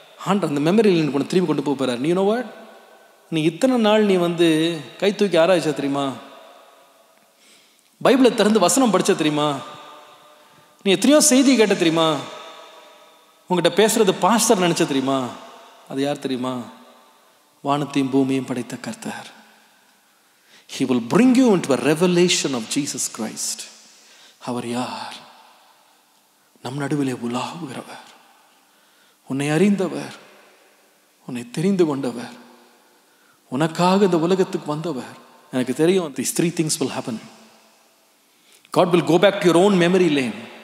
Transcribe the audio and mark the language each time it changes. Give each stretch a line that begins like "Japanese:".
Tamil: ஆண்டர் அந்த மெமரியில் கொண்டு திரும்பி கொண்டு போக போகிறார். நீ நோவா, நீ இத்தனை நாள் நீ வந்து கை தூக்கி ஆராய்ச்ச தெரியுமா, பைபிளை திறந்து வசனம் படித்த தெரியுமா, நீ எத்தனையோ செய்தி கேட்ட தெரியுமா, உங்கள்கிட்ட பேசுறது பாஸ்டர் நினச்ச தெரியுமா, அது யார் தெரியுமா, வானத்தையும் பூமியையும் படைத்த கர்த்தர்.
English: He will bring you into a revelation of Jesus Christ.
Tamil: அவர் யார், நம் நடுவிலே உலாவுகிறவர், உன்னை அறிந்தவர், உன்னை தெரிந்து கொண்டவர், உனக்காக இந்த உலகத்துக்கு வந்தவர். எனக்கு தெரியும்,
English: The three things will happen, God will go back to your own memory lane.